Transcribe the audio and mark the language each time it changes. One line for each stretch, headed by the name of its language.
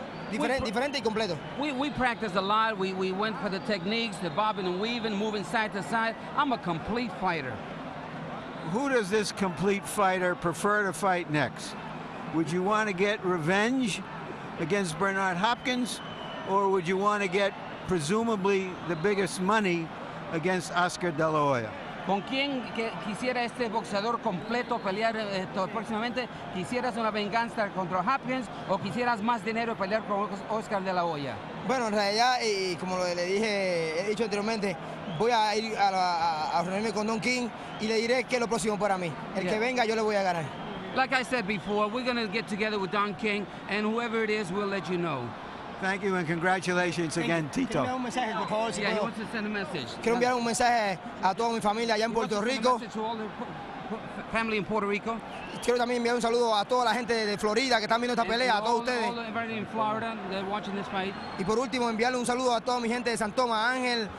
Spanish: Diferente y completo.
English: We practiced a lot. We went for the techniques, the bobbing and weaving, moving side to side. I'm a complete fighter. Who does this complete fighter prefer to fight next? Would you want to get revenge against Bernard Hopkins, or would you want to get presumably the biggest money against Oscar De La Hoya?
Spanish: ¿Con quién quisiera este boxeador completo pelear próximamente? ¿Quisieras una venganza contra Hopkins o quisieras más dinero pelear con Oscar De La Hoya? Bueno, en realidad, y como he dicho anteriormente, voy a ir a reunirme con Don King y le diré qué es lo próximo para mí. El que venga, yo le voy a ganar.
English: Like I said before, we're going to get together with Don King, and whoever it is, we'll let you know. Thank you and congratulations again, Tito. Can you send a message,
Spanish: por favor, si puedo?
English: Yeah, he wants to send a message.
Spanish: Quiero enviar un mensaje a toda mi familia allá en Puerto Rico.
English: He wants to send a message to all the family in Puerto Rico.
Spanish: Quiero también enviar un saludo a toda la gente de Florida que están viendo esta pelea, a todos ustedes.
English: All everybody in Florida that are watching this fight.
Spanish: Y por último, enviarle un saludo a toda mi gente de San Tomás, Ángel.